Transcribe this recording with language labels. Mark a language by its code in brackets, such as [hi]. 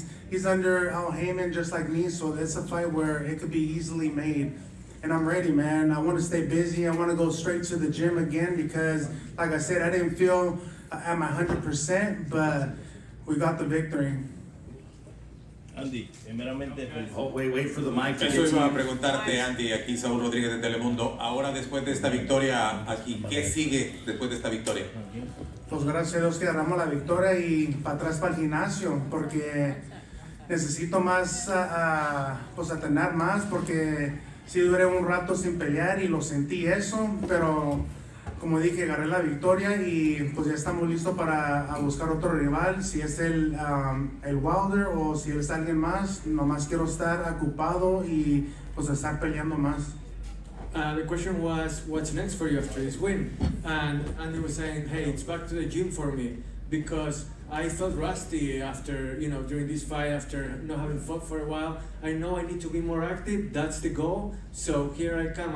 [en] He's under Al Haymon just like me, so it's a fight where it could be easily made. And I'm ready, man. I want to stay busy. I want to go straight to the gym again because, like I said, I didn't feel at my 100%, but we got the victory. [es] Andy, primeramente, [en] wait for the mic. [es] Eso iba a preguntarte, Andy, aquí Saúl Rodríguez de Telemundo. Ahora, después de esta victoria, aquí, ¿qué sigue después de esta victoria? Pues gracias a Dios que agarramos la victoria y para atrás para el gimnasio, porque necesito más, pues a tener más, porque sí duré un rato sin pelear y lo sentí eso, pero como dije, agarré la victoria y pues ya estamos listos para buscar otro rival, si es el Wilder o si es alguien más. Nomás quiero estar ocupado y pues estar peleando más. [en] The question was, what's next for you after this win? And Andy was saying, hey, it's back to the gym for me because I felt rusty after, you know, during this fight, after not having fought for a while. I know I need to be more active. That's the goal. So here I come.